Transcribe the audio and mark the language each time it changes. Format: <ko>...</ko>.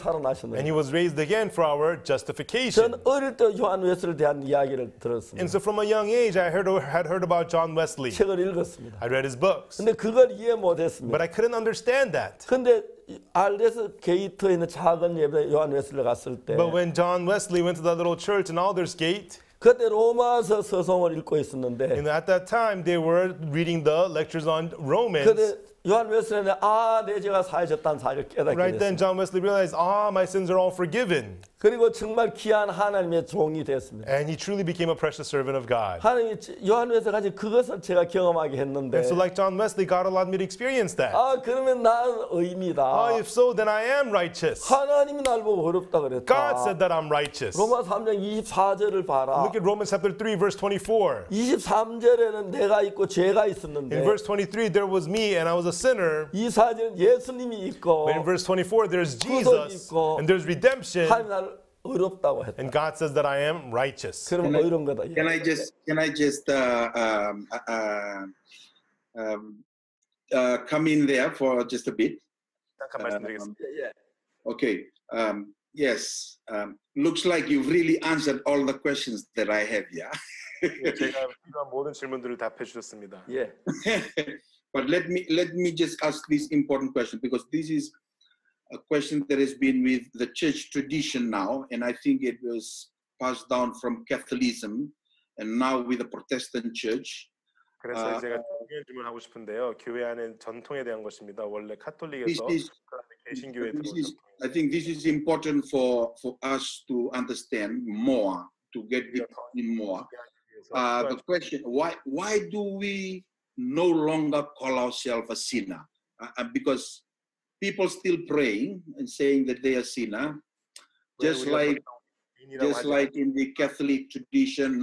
<en>And he was raised again for our justification.</en> <ko>전 어릴 때 요한 웨슬리에 대한 이야기를 들었습니다.</ko> <en>And so from a young age, I had heard about John Wesley.</en> <ko>책을 읽었습니다.</ko> <en>I read his books.</en> <ko>근데 그걸 이해 못했습니다.</ko> <en>But I couldn't understand that.</en> <ko>근데 알데스 게이트에 있는 작은 예배 요한 웨슬리 갔을 때.</ko> <en>But when John Wesley went to that little church in Aldersgate.</en> <ko>그때 로마서 서성을 읽고 있었는데.</ko> <en>And at that time, they were reading the lectures on Romans.</en> <ko>요한 웨슬리는 아, 내 죄가 사해졌다는 사실을 깨닫게 됐어요.</ko> <en>Right then, John Wesley realized, ah, my sins are all forgiven.</en> <ko>그리고 정말 귀한 하나님의 종이 됐습니다.</ko> <en>And he truly became a precious servant of God.</en> <ko>하나님 요한 웨슬리까지 그것을 제가 경험하게 했는데.</ko> <en>And so, like John Wesley, God allowed me to experience that.</en> <ko>아, 그러면 난 의인이다.</ko> <en>Ah, if so, then I am righteous.</en> <ko>하나님이 날 보고 의롭다 그랬다.</ko> <en>God said that I'm righteous.</en> <ko>로마 3장 24절을 봐라.</ko> <en>Look at Romans chapter 3, verse 24.</en> <ko>23절에는 내가 있고 죄가 있었는데.</ko> <en>In verse 23, there was me and I was a sinner.</en> <ko>24절 예수님이 있고.</ko> <en>But in verse 24, there's Jesus.</en> <ko>구속이 있고.</ko> <en>And there's redemption.</en> <ko>의롭다고 했다.</ko> <en>And God says that I am righteous.</en> <ko>그럼 의로운 거다.</ko> <en>Can I just come in there for just a bit?</en> <ko>잠깐 말씀드리겠습니다.</ko> <en>Okay. Yes. Looks like you've really answered all the questions that I have. Yeah.</en> <ko>제가 필요한 모든 질문들을 답해 주셨습니다. 예.</ko> <en>But let me just ask this important question because this is a question that has been with the church tradition now, and I think it was passed down from Catholicism, and now with the Protestant church.</en> <ko>그래서 제가 질문을 하고 싶은데요. 교회 안에 전통에 대한 것입니다. 원래 카톨릭에서 개신교회</ko> <en>I think this is important for us to understand more, to get deeper more. The question, why do we no longer call ourselves a sinner? Because people still praying and saying that they are sinner, just like in the Catholic tradition.</en>